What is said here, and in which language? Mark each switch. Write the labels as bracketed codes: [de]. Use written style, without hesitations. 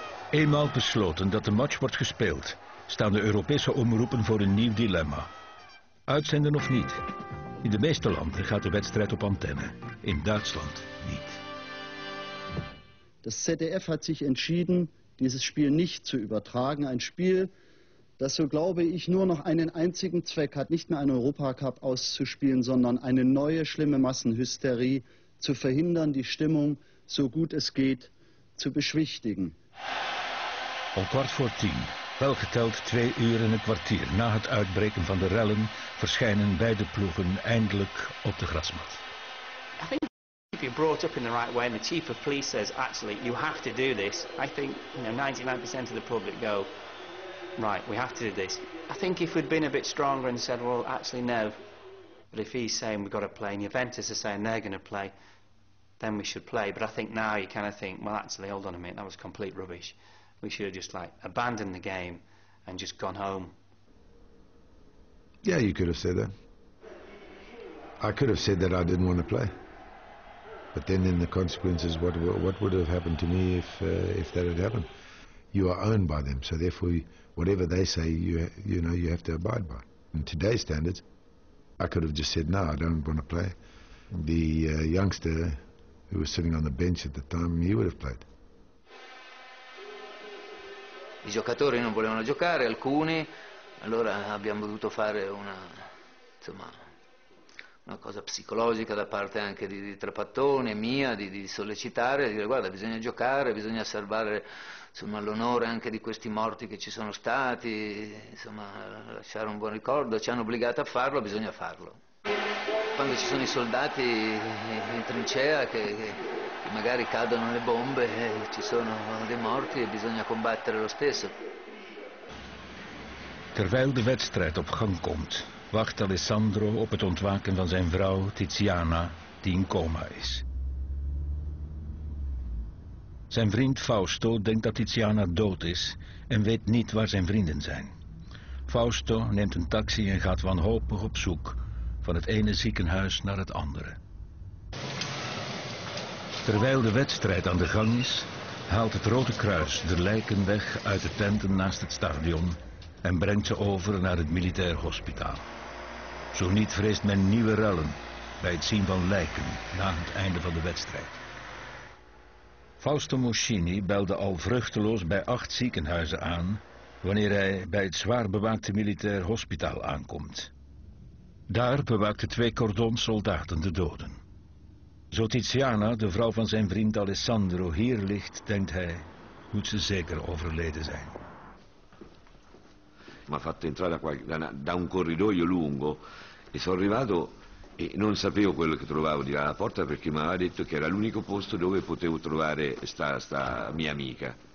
[nl] Eenmaal besloten dat de match wordt gespeeld, staan de Europese omroepen voor een nieuw dilemma. Uitzenden of niet? In de meeste landen gaat de wedstrijd op antenne. In Duitsland niet. [de] Das ZDF hat sich entschieden, dieses Spiel nicht zu übertragen. Ein Spiel, das, so glaube ich, nur noch einen einzigen Zweck hat, nicht mehr einen Europacup auszuspielen, sondern eine neue schlimme Massenhysterie zu verhindern, die Stimmung, so gut es geht, zu beschwichtigen. [nl] Om 9:45, wel geteld 2:15 na het uitbreken van de rellen, verschijnen beide ploegen eindelijk op de grasmat. [en] I think if you're brought up in the right way and the chief of police says, actually, you have to do this, I think, you know, 99% of the public go, right, we have to do this. I think if we'd been a bit stronger and said, well, actually, no, but if he's saying we've got to play and Juventus are saying they're going to play, then we should play. But I think now you kind of think, well, actually, hold on a minute, that was complete rubbish. We should have just, like, abandoned the game and just gone home. Yeah, you could have said that. I could have said that I didn't want to play. But then the consequences, what would have happened to me if that had happened? You are owned by them, so therefore, whatever they say, you know, you have to abide by. In today's standards, I could have just said, no, I don't want to play. The youngster who was sitting on the bench at the time, he would have played. [it] I giocatori non volevano giocare, alcuni, allora abbiamo dovuto fare una cosa psicologica da parte anche di Trapattone, mia, di sollecitare, di dire guarda bisogna giocare, bisogna salvare insomma, l'onore anche di questi morti che ci sono stati, insomma lasciare un buon ricordo, ci hanno obbligato a farlo, bisogna farlo. Quando ci sono i soldati in trincea che magari cadono le bombe, ci sono dei morti e bisogna combattere lo stesso. [nl] Terwijl de wedstrijd op gang komt, wacht Alessandro op het ontwaken van zijn vrouw Tiziana, die in coma is. Zijn vriend Fausto denkt dat Tiziana dood is en weet niet waar zijn vrienden zijn. Fausto neemt een taxi en gaat wanhopig op zoek van het ene ziekenhuis naar het andere. Terwijl de wedstrijd aan de gang is, haalt het Rode Kruis de lijken weg uit de tenten naast het stadion en brengt ze over naar het militair hospitaal. Zo niet vreest men nieuwe rellen bij het zien van lijken na het einde van de wedstrijd. Fausto Moschini belde al vruchteloos bij 8 ziekenhuizen aan wanneer hij bij het zwaar bewaakte militair hospitaal aankomt. Daar bewaakten 2 cordons soldaten de doden. Zo Tiziana, de vrouw van zijn vriend Alessandro, hier ligt, denkt hij, moet ze zeker overleden zijn. [it] Mi ha fatto entrare da un corridoio lungo e sono arrivato e non sapevo quello che trovavo di là alla porta perché mi aveva detto che era l'unico posto dove potevo trovare sta mia amica.